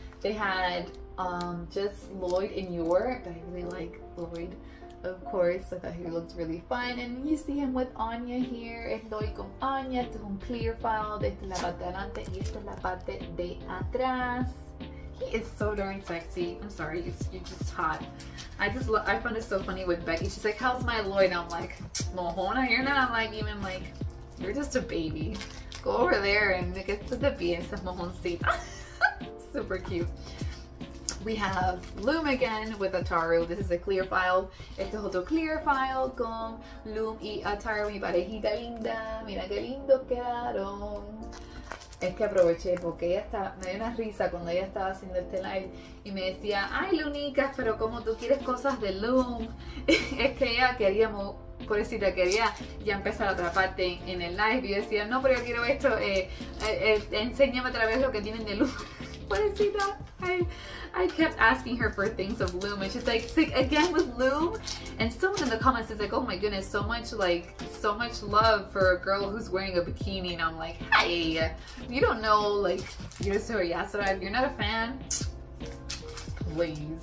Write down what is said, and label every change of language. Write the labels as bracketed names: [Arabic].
[English] They had just Lloyd in York, but I really like Lloyd. Of course, I thought he looked really fine. And you see him with Anya here. [Spanish] Es Lloyd con Anya. Esto es un clear file. Esta es la parte de adelante y esta es la parte de atrás. [English] He is so darn sexy. I'm sorry, you're just hot. I found it so funny with Becky. She's like, how's my Lloyd? And I'm like, mojona, you're not like even like, you're just a baby. Go over there and get to the pieza, mojoncita. Super cute. We have Loom again with Ataru. This is a clear file. [Spanish] Este es otro clear file con Loom y Ataru. Mi parejita linda. Mira qué lindo quedaron. Es que aproveché porque ella está, me dio una risa cuando ella estaba haciendo este live y me decía, ay, Lunica, pero como tú quieres cosas de Loom. Es que ella quería, pobrecita, quería ya empezar otra parte en el live. Y yo decía, no, pero yo quiero esto. Enséñame otra vez lo que tienen de Loom. Pobrecita. [English] I kept asking her for things of Loom and she's like, sick again with Loom? And someone in the comments is like, oh my goodness, so much like, so much love for a girl who's wearing a bikini. And I'm like, hey, you don't know, like, Yusuke Yasura, if you're not a fan, please.